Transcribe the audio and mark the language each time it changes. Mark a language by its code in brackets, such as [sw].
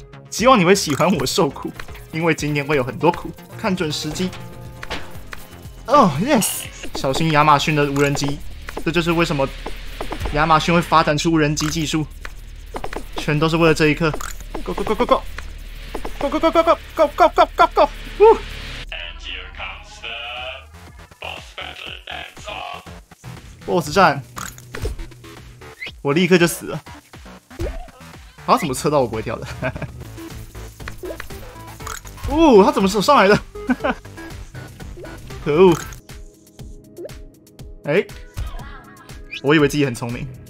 [zh] 希望你会喜欢我受苦，因为今天会有很多苦。看准时机。哦 ，yes， 小心亚马逊的无人机。这就是为什么亚马逊会发展出无人机技术，全都是为了这一刻。 [en] Go go go go go go go go go go go go go go go！呜 ！And here comes the boss battle dance off. [zh] Boss 战，我立刻就死了。他怎么测到我不会跳的？呜、哦，他怎么手上来的？可恶！哎、欸，我以为自己很聪明。